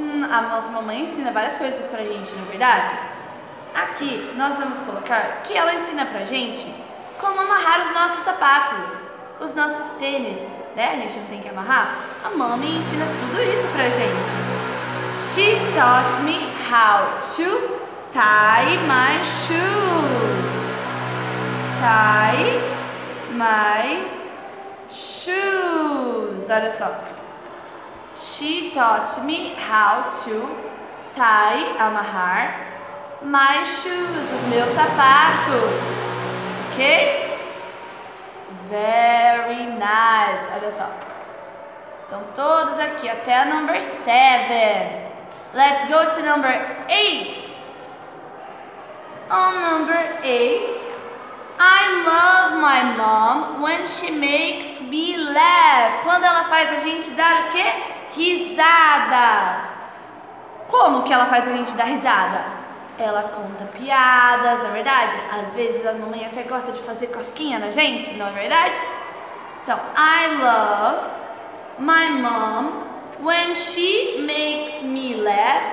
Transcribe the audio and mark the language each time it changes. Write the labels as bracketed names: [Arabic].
[Portuguese] A nossa mamãe ensina várias coisas pra gente, não é verdade? Aqui nós vamos colocar que ela ensina pra gente como amarrar os nossos sapatos, os nossos tênis, né? A gente não tem que amarrar. A mamãe ensina tudo isso pra gente. [English] She taught me how to tie my shoes. Tie my shoes. [Portuguese] Olha só. [English] She taught me how to tie, [Portuguese] amarrar, [English] my shoes, [Portuguese] os meus sapatos. [English] Ok? Very nice. [Portuguese] Olha só. Estão todos aqui até a number 7. [English] Let's go to number 8. On number 8, I love my mom when she makes me laugh. [Portuguese] Quando ela faz a gente dar o quê? Risada. Como que ela faz a gente dar risada? Ela conta piadas, não é verdade? Às vezes a mamãe até gosta de fazer cosquinha na gente, não é verdade? [English] Então, I love my mom when she makes me laugh.